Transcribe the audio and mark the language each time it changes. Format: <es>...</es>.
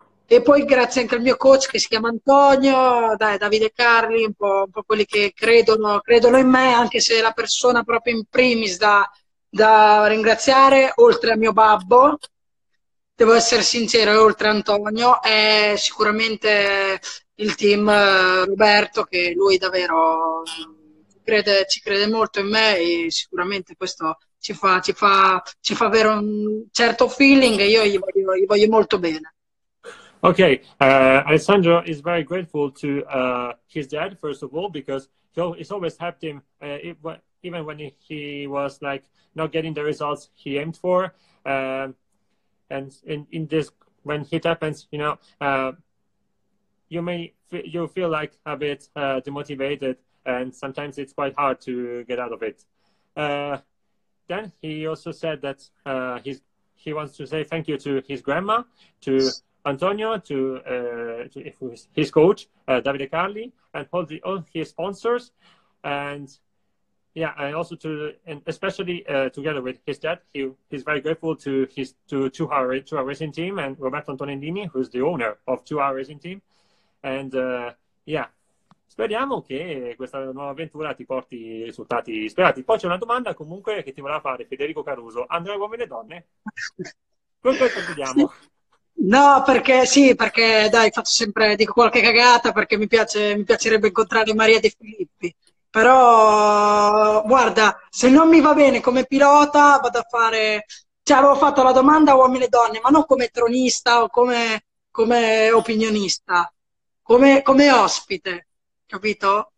<it>E poi grazie anche al mio coach che si chiama Antonio, dai, Davide Carli, un po' quelli che credono in me, anche se la persona proprio in primis da ringraziare, oltre a mio babbo, devo essere sincero, oltre a Antonio, è sicuramente il team Roberto, che lui davvero ci crede molto in me, e sicuramente questo ci fa avere un certo feeling, e io gli voglio molto bene.</it> <en>Okay, Alessandro is very grateful to his dad, first of all, because he's always helped him, even when he was like not getting the results he aimed for. And in this, when it happens, you know, you feel like a bit demotivated, and sometimes it's quite hard to get out of it. Then he also said that he wants to say thank you to his grandma, to Antonio, to his coach, Davide Carli, and all his sponsors, and also together with his dad, he's very grateful to his Two Hour Racing Team and Roberto Antonellini, who's the owner of Two Hour Racing Team, and speriamo che questa nuova avventura ti porti risultati sperati.</en> <it>Poi c'è una domanda comunque che ti voleva fare Federico Caruso: andrà uomini e donne? Con questo chiudiamo. No, perché sì, perché dai, faccio sempre, dico qualche cagata, perché mi piacerebbe incontrare Maria De Filippi. Però guarda, se non mi va bene come pilota, vado a fare, cioè, avevo fatto la domanda a uomini e donne, ma non come tronista o come opinionista, come ospite, capito?</it>